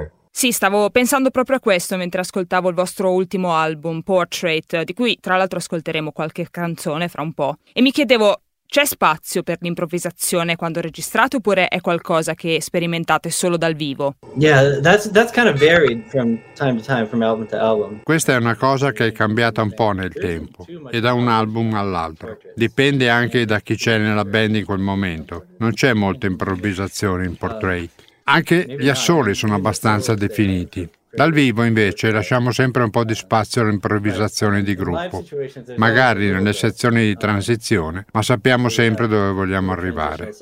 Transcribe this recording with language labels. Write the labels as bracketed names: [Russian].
[Italian] Sì, stavo pensando proprio a questo mentre ascoltavo il vostro ultimo album, Portrait, di cui tra l'altro ascolteremo qualche canzone fra un po'. E mi chiedevo, c'è spazio per l'improvvisazione quando registrate oppure è qualcosa che sperimentate solo dal vivo? [English] Yeah, that's kind of varied from time to time, from album to album. [Italian] Questa è una cosa che è cambiata un po' nel tempo e da un album all'altro. Dipende anche da chi c'è nella band in quel momento. Non c'è molta improvvisazione in Portrait. Anche gli assoli sono abbastanza definiti. Dal vivo, invece, lasciamo sempre un po' di spazio all'improvvisazione di gruppo, magari nelle sezioni di transizione, ma sappiamo sempre dove vogliamo arrivare.